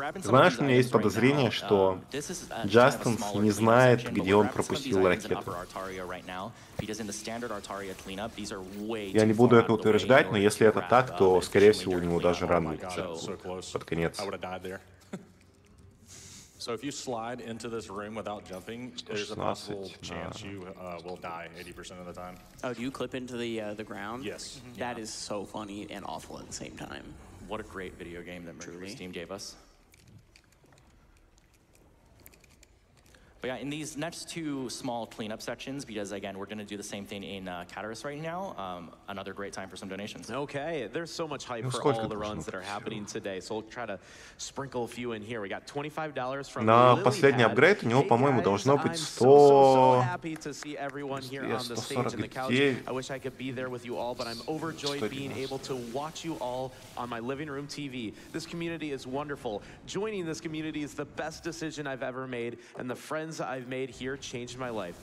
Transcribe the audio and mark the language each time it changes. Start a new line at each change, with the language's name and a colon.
Russian: Знаешь, у меня есть подозрение, что Джастин не знает, где он пропустил ракету. Я не буду это утверждать, но если это так, то, скорее всего, у него даже ран летится под конец.
English: So if you slide into this room without jumping, there's a possible chance you will die 80% of the time. Oh, do you clip into the ground? Yes. That is so funny and awful at the same time. What a great video game that Mercury Steam gave us. But yeah, in these next two small cleanup sections, because again, we're going to do the same thing in Catarus right now, another great time for some donations. Okay, there's so much hype for all the runs that are happening today, so we'll try to sprinkle a few in here. We got $25 from Lilypad.
Russian: На последний апгрейд у него, по-моему, должно быть 100...
English: I'm so happy to see everyone here on the stage and the couch. I wish I could be there with you all, but I'm overjoyed being able to watch you all on my living room TV. This community is wonderful. Joining this community is the best decision I've ever made, and the friends I've made here changed my life.